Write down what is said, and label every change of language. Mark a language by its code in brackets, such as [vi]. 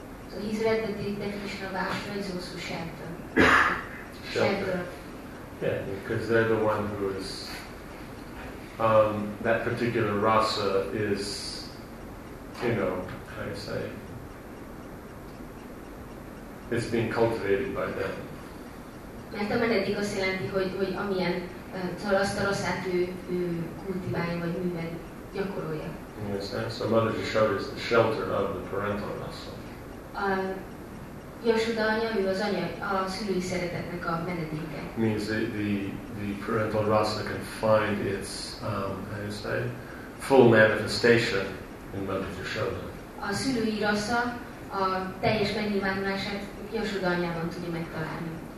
[en] So he's read the definition of ásvány, it's also shelter. Yeah, because they're the one who is... that particular rasa is, you know, how you say, it's being cultivated by them. [hu] Mert a menedék azt jelenti, hogy amilyen talasztalaszát ő kultiválja, vagy művel gyakorolja. [en] Yes, and so Mother Yashoda is the shelter of the parental rasa. [hu] Yashoda anya, ő az anya, a szülői szeretetnek a menedéke. [en] Means the parental rasa can find its, how you say, full manifestation in Mother Yashoda. [hu] A szülői rasa a teljes megnyilvánulását Yashoda anyában tudja megtalálni.